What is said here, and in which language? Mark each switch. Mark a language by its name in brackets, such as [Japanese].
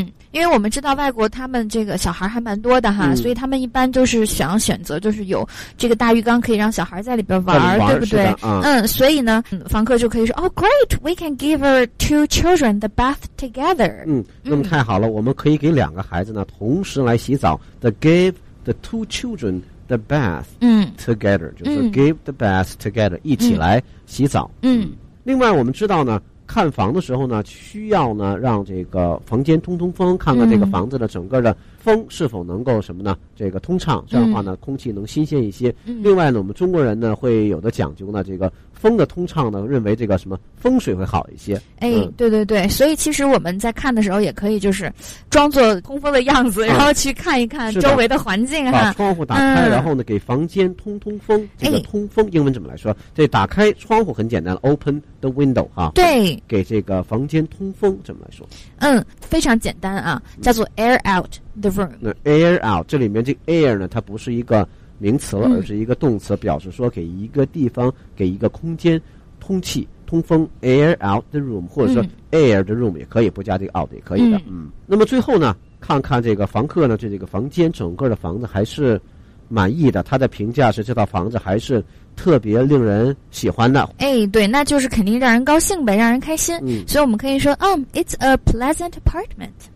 [Chinese] 因为我们知道外国他们这个小孩还蛮多的哈，所以他们一般就是想选择就是有这个大浴缸可以让小孩在里边玩，对不对？所以呢，房客就可以说 [English] ，Oh great, we can give our two children the bath together。 [Chinese] 那么太好了，我们可以给两个孩子呢同时来洗澡。 [English] The give the two children the bath together， [Chinese] 就是 [English] give the bath together， [Chinese] 一起来洗澡。另外我们知道呢。看房的时候呢，需要呢让这个房间通通风，看看这个房子的整个的风是否能够什么呢？这个通畅，这样的话呢，空气能新鲜一些。另外呢，我们中国人呢会有的讲究呢，这个风的通畅呢，认为这个什么风水会好一些。对对对，所以其实我们在看的时候也可以就是装作通风的样子，然后去看一看周围的环境哈。把窗户打开，然后呢给房间通通风。这个通风英文怎么来说？这打开窗户很简单 ， [English] open the window [Chinese] 哈。对。给这个房间通风怎么来说？非常简单啊，叫做 [English] air out the room。 [Chinese] 那 [English] air out [Chinese] 这里面这个 air 呢，它不是一个名词了，而是一个动词，表示说给一个地方、给一个空间通气、通风。 [English] air out the room， [Chinese] 或者说 [English] air the room [Chinese] 也可以，不加这个 out 也可以的。那么最后呢，看看这个房客呢，对这个房间整个的房子还是满意的，他的评价是这套房子还是特别令人喜欢的。对，那就是肯定让人高兴呗，让人开心。所以我们可以说， [English] it's a pleasant apartment。